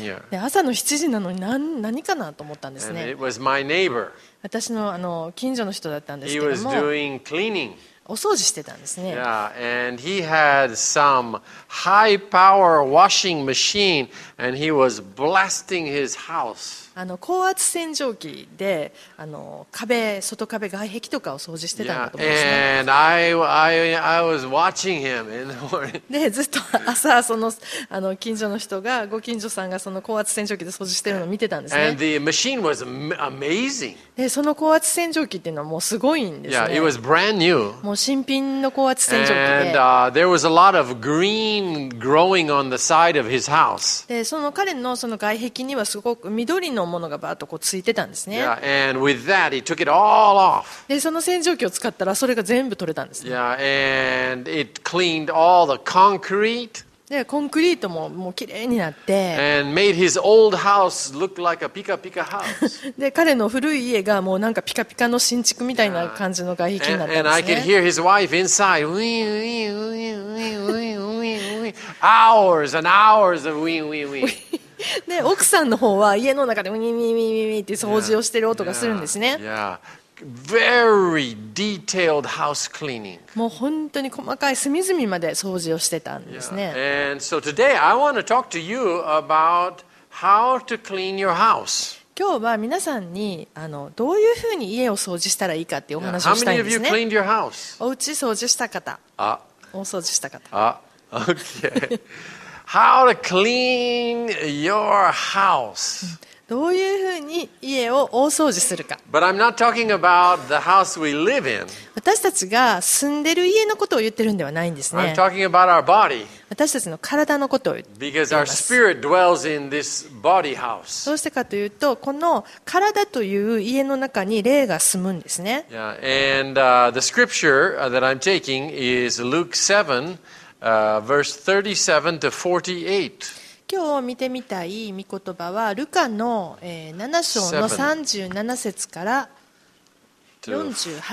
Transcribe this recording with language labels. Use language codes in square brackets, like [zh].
[ja] で朝の7時なのに 何かなと思ったんですね。 [en] And it was my neighbor. [ja] 私 の, 近所の人だったんですけども [en] He was doing cleaning. [ja] お掃除してたんですね。 [en] Yeah. And he had some high power washing machine and he was blasting his house. [ja] 高圧洗浄機で壁、外壁、外壁とかを掃除してたんだと思いますね。 [en] Yeah. And I was watching him in the morning. [ja] ずっと朝その近所の人がご近所さんがその高圧洗浄機で掃除してるのを見てたんですね。 [en] And the machine was amazing. [ja] でその高圧洗浄機っていうのはもうすごいんですね。 [en] Yeah, it was brand new. [ja] もう新品の高圧洗浄機で [en] And there was a lot of green growing on the side of his house. [ja] でその彼のその外壁にはすごく緑のものがバーッとこうついてたんですね。 [en] Yeah, and with that, he took it all off. [ja] でその洗浄機を使ったらそれが全部取れたんですね。 [en] Yeah, and it cleaned all the concrete. [ja] でコンクリートももうきれいになって。 [en] And made his old house look like a pika pika house. [ja] で彼の古い家がもうなんかピカピカの新築みたいな感じの外壁になったんですね。 [en] And I could hear his wife inside. ウィンウィンウィンウィンウィンウィンウィン。 Hours and hours of ウィンウィンウィン。 [ja] で奥さんの方は家の中でウィミミミミって掃除をしてる音がするんですね。 [en] Yeah, yeah. Very detailed house cleaning. [ja] もう本当に細かい隅々まで掃除をしてたんですね。 [en] Yeah. And so today I want to talk to you about how to clean your house. [ja] 今日は皆さんにどういうふうに家を掃除したらいいかっていうお話をしたいんですね。 [en] Yeah. How many of you cleaned your house? [ja] お家掃除した方。あ。お掃除した方。 [en] あ。Okay. How to clean your house? [ja] どういうふうに家を大掃除するか。 [en] But I'm not talking about the house we live in. [ja] 私たちが住んでる家のことを言ってるんではないんですね。 [en] I'm talking about our body. [ja] 私たちの体のことを言っています。 [en] Because our spirit dwells in this body house. [ja] どうしてかというと、この体という家の中に霊が住むんですね。 [en] Yeah. And the scripture that I'm taking is Luke 7. Verse 37 to 48. [ja] 今日見てみたい御言葉はルカの7章の37節から48